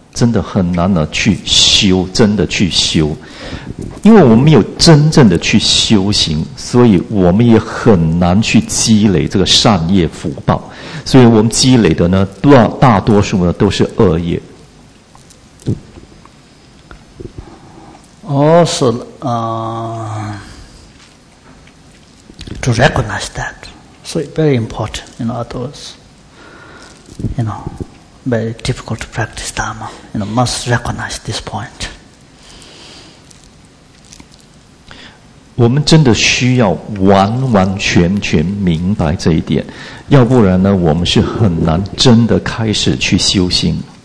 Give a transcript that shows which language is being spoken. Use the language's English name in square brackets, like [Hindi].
[Chinese] 真的很难呢，去修，真的去修，因为我们没有真正的去修行，所以我们也很难去积累这个善业福报，所以我们积累的呢，大多数呢都是恶业。 [English] Also, to recognize that, so it's very important. In other words, you know. Very difficult to practice Dharma, you know, must recognize this point. [Chinese] 我们真的需要完完全全明白这一点，要不然呢，我们是很难真的开始去修行。